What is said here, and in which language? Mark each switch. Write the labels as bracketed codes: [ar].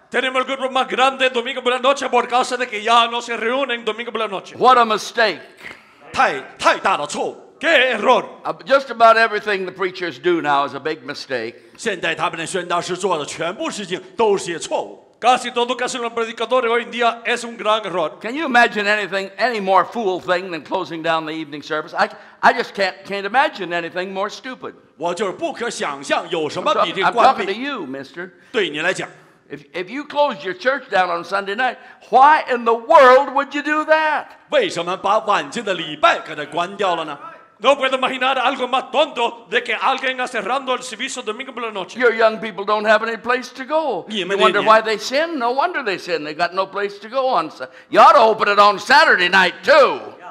[es] Tenemos el grupo más grande domingo por la noche por causa de que ya no se reúnen domingo por la noche. [en] What a mistake. [zh] 太大的错。 [es] Qué error. [en] Just about everything the preachers do now is a big mistake. [zh] 现在他们的宣道士做的全部事情都是些错误。 [es] Casi todo lo que hacen los predicadores hoy en día es un gran error. [en] Can you imagine anything, any more fool thing than closing down the evening service? I just can't imagine anything more stupid. [zh] 我就是不可想象有什么比这关闭。 [en] I'm talking to you, mister. [zh] 对你来讲。 [en] If you closed your church down on Sunday night, why in the world would you do that? [zh] 为什么把晚间的礼拜给它关掉了呢？ [es] No puedo imaginar algo más tonto de que alguien está cerrando el servicio domingo por la noche. [en] Your young people don't have any place to go. You wonder why they sin? No wonder they sin. They got no place to go on. You ought to open it on Saturday night too.